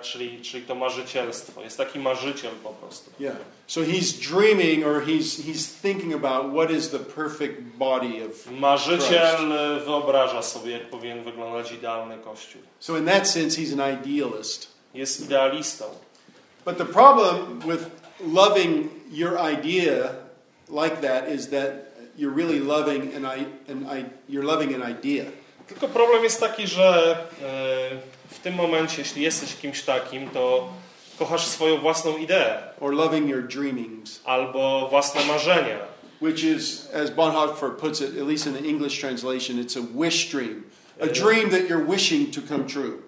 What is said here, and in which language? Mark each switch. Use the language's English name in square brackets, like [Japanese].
[Polish] Czyli to marzycielstwo. Jest taki marzyciel po prostu. [English] Yeah. So he's dreaming or he's thinking about what is the perfect body of Christ. [Polish] Marzyciel wyobraża sobie, jak powinien wyglądać idealny kościół. [English] So in that sense he's an idealist. [Polish] Jest idealistą. [English] But the problem with loving your idea like that is that you're really loving you're loving an idea. [Polish] Tylko problem jest taki, że w tym momencie, jeśli jesteś kimś takim, to kochasz swoją własną ideę. [English] Or loving your dreamings. [Polish] Albo własne marzenia. [English] Which is, as Bonhoeffer puts it, at least in the English translation, it's a wish dream. A dream that you're wishing to come true.